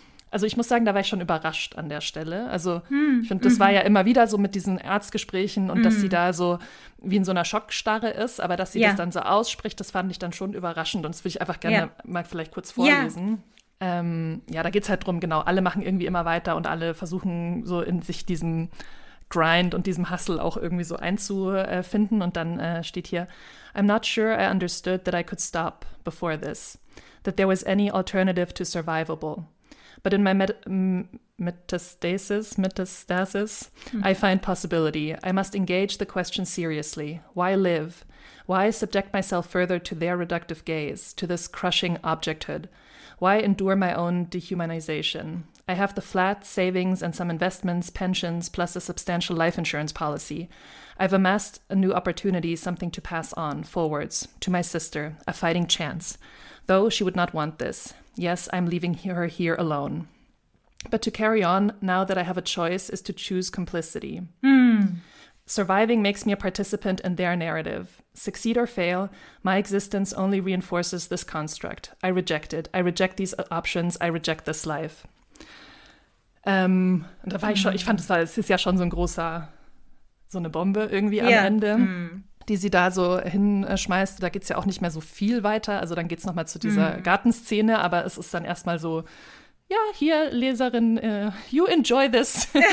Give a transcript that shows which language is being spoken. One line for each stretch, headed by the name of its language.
German: Also ich muss sagen, da war ich schon überrascht an der Stelle. Also ich finde, das war ja immer wieder so mit diesen Arztgesprächen und dass sie da so wie in so einer Schockstarre ist, aber dass sie das dann so ausspricht, das fand ich dann schon überraschend. Und das würde ich einfach gerne mal vielleicht kurz vorlesen. Ja. Ja, da geht es halt drum, genau, alle machen irgendwie immer weiter und alle versuchen so in sich diesen Grind und diesem Hustle auch irgendwie so einzufinden. Und dann steht hier,
English: I'm not sure I understood that I could stop before this, that there was any alternative to survivable. But in my metastasis, I find possibility. I must engage the question seriously. Why live? Why subject myself further to their reductive gaze, to this crushing objecthood? Why endure my own dehumanization? I have the flat, savings and some investments, pensions, plus a substantial life insurance policy. I've amassed a new opportunity, something to pass on, forwards, to my sister, a fighting chance. Though she would not want this. Yes, I'm leaving her here alone. But to carry on, now that I have a choice, is to choose complicity. Surviving makes me a participant in their narrative. Succeed or fail, my existence only reinforces this construct. I reject it. I reject these options. I reject this life.
German: Und da war ich schon, ich fand, es ist ja schon so ein großer, so eine Bombe irgendwie am Ende, die sie da so hinschmeißt. Da geht es ja auch nicht mehr so viel weiter. Also dann geht es nochmal zu dieser Gartenszene, aber es ist dann erstmal so, ja, hier, Leserin,
English: you enjoy this.